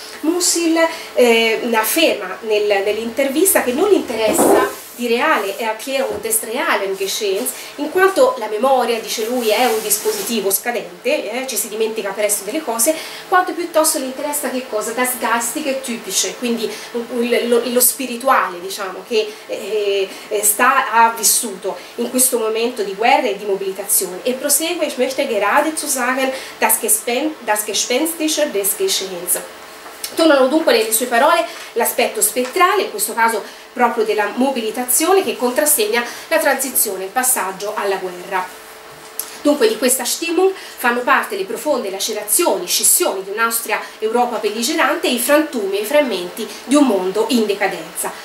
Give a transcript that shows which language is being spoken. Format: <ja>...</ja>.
<it>Musil afferma nell'intervista che non gli interessa di reale e a Piero un test reale in Geschehens, in quanto la memoria, dice lui, è un dispositivo scadente, ci si dimentica presto delle cose, quanto piuttosto gli interessa che cosa?</it> <de>Das Geistige typische,</de> <it>quindi lo spirituale, diciamo, che ha vissuto in questo momento di guerra e di mobilitazione. E prosegue:</it> <de>ich möchte geradezu sagen, das Gespenstische des Geschehens.</de> <it>Tornano dunque nelle sue parole l'aspetto spettrale, in questo caso proprio della mobilitazione, che contrassegna la transizione, il passaggio alla guerra. Dunque di questa Stimmung fanno parte le profonde lacerazioni, scissioni di un'Austria Europa belligerante, i frantumi e i frammenti di un mondo in decadenza.</it>